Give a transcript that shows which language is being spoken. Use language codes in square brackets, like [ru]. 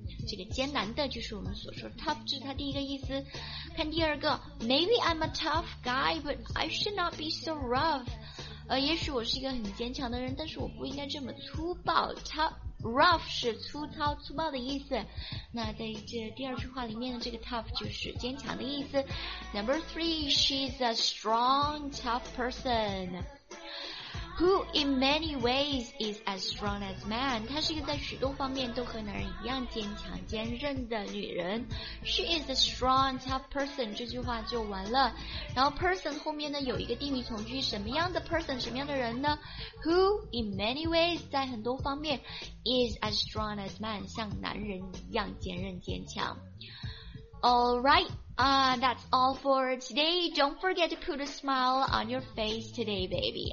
[zh] 这个艰难的就是我们所说 tough， 这是它第一个意思。看第二个， [en] Maybe I'm a tough guy but I should not be so rough， [zh] 也许我是一个很坚强的人，但是我不应该这么粗暴。 rough 是粗糙粗暴的意思，那在这第二句话里面的这个 tough 就是坚强的意思。 [en] Number 3， She's a strong tough person who in many ways is as strong as man， [zh] 她是一个在许多方面都和男人一样坚强坚韧的女人。 [en] She is a strong tough person， [zh] 这句话就完了。然后 person 后面呢有一个定语从句，什么样的 person， 什么样的人呢？ [en] who in many ways， [zh] 在很多方面， [en] is as strong as man， [zh] 像男人一样坚韧坚强。 [en] alrightThat's all for today. Don't forget to put a smile on your face today, baby.